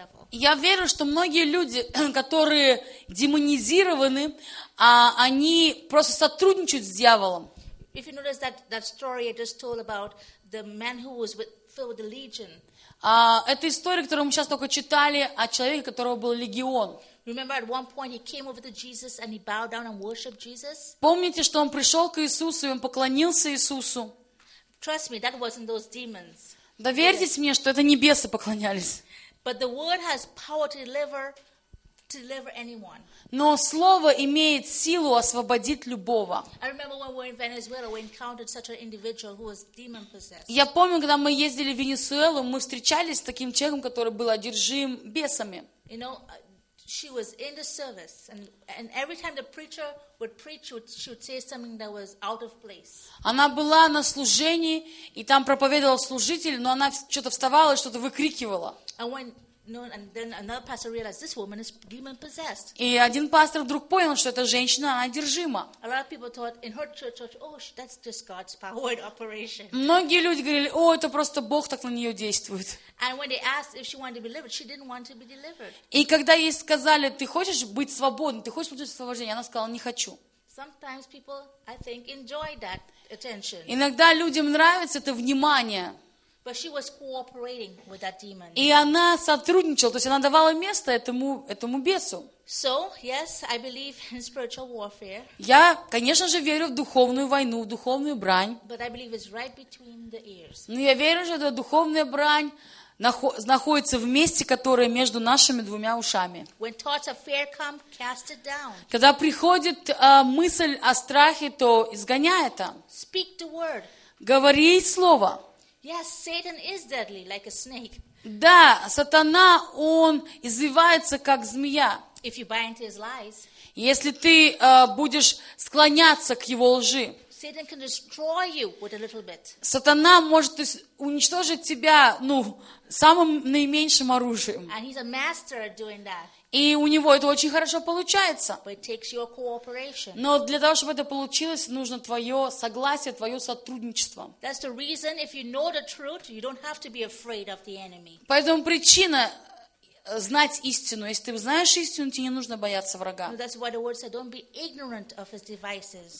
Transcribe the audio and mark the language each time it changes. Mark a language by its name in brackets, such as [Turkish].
[Russian] Я верю, что многие люди, которые демонизированы, они просто сотрудничают с дьяволом. [English] If you notice that story I just told about the man who was filled with the legion. [Russian] Это история, которую мы сейчас только читали о человеке, у которого был легион. [English] Remember, at one point he came over to Jesus and he bowed down and worshipped Jesus. [Russian] Помните, что он пришел к Иисусу и он поклонился Иисусу. [English] Trust me, that wasn't those demons. [Russian] Доверьтесь мне, что это не бесы поклонялись. [English] But the word has power to deliver, to deliver anyone. [Russian] Но слово имеет силу освободить любого. [English] I remember when we were in Venezuela, we encountered such an individual who was demon possessed. [Russian] Я помню, когда мы ездили в Венесуэлу, мы встречались с таким человеком, который был одержим бесами. [English] You know, she was in the service, and every time the preacher would preach, she would say something that was out of place. [Russian] Она была на служении, и там проповедовал служитель, но она что-то вставала и что-то выкрикивала. [English] And then another pastor realized this woman is demon possessed. [Russian] И один пастор вдруг понял, что эта женщина одержима. [English] A lot of people thought in her church, oh, that's just God's power in operation. [Russian] Многие люди говорили, о, это просто Бог так на нее действует. [English] And when they asked if she wanted to be delivered, she didn't want to be delivered. [Russian] И когда ей сказали, ты хочешь быть свободной, ты хочешь получить освобождение, она сказала, не хочу. [English] Sometimes people, I think, enjoy that attention. [Russian] Иногда людям нравится это внимание. [English] But she was cooperating with that demon. [Russian] И она сотрудничала, то есть она давала место этому бесу. [English] So, yes, I believe in spiritual warfare. [Russian] Я, конечно же, верю в духовную войну, в духовную брань. [English] But I believe it's right between the ears. [Russian] Но я верю, что эта духовная брань находится в месте, которое между нашими двумя ушами. [English] When thoughts of fear come, cast it down. [Russian] Когда приходит мысль о страхе, то изгоняй это. [English] Speak the word. [Russian] Говори слово. [English] Yes, Satan is deadly, like a snake. [Russian] Да, сатана, он извивается, как змея. [English] If you buy into his lies, [Russian] если ты будешь склоняться к его лжи, [English] Satan can destroy you with a little bit. [Russian] Сатана может уничтожить тебя, ну, самым наименьшим оружием. [English] And he's a master at doing that. [Russian] И у него это очень хорошо получается. [English] But it takes your cooperation. [Russian] Но для того, чтобы это получилось, нужно твое согласие, твое сотрудничество. [English] That's the reason, if you know the truth, you don't have to be afraid of the enemy. [Russian] Поэтому причина знать истину. Если ты знаешь истину, тебе не нужно бояться врага. [English] That's why the word said, don't be ignorant of his devices.